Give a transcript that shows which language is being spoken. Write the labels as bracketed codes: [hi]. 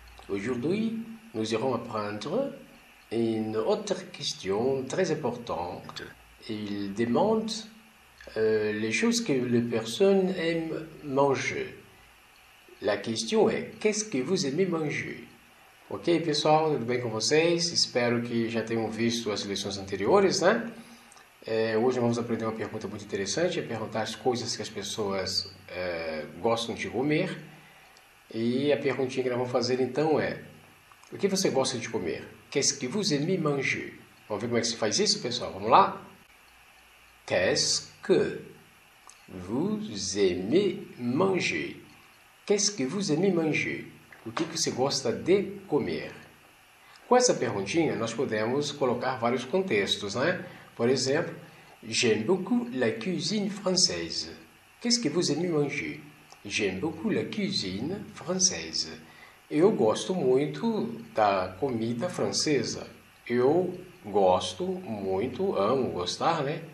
[fr] Aujourd'hui, nous irons apprendre une autre question très importante. Il demande les choses que les personnes aiment manger. La question est, qu'est-ce que vous aimez manger? [pt] Ok, pessoal, tudo bem com vocês? Espero que já tenham visto as lições anteriores, né? Hoje vamos aprender uma pergunta muito interessante, é perguntar as coisas que as pessoas gostam de comer. E a perguntinha que nós vamos fazer então é, o que você gosta de comer? [fr] Qu'est-ce que vous aimez manger? [pt] Vamos ver como é que se faz isso, pessoal? Vamos lá? [fr] Qu'est-ce que vous aimez manger? Qu'est-ce que vous aimez manger? [pt] O que você gosta de comer? Com essa perguntinha, nós podemos colocar vários contextos, né? Por exemplo, [fr] J'aime beaucoup la cuisine française. Qu'est-ce que vous aimez manger? J'aime beaucoup la cuisine française. [pt] Eu gosto muito da comida francesa. Eu gosto muito, amo gostar, né?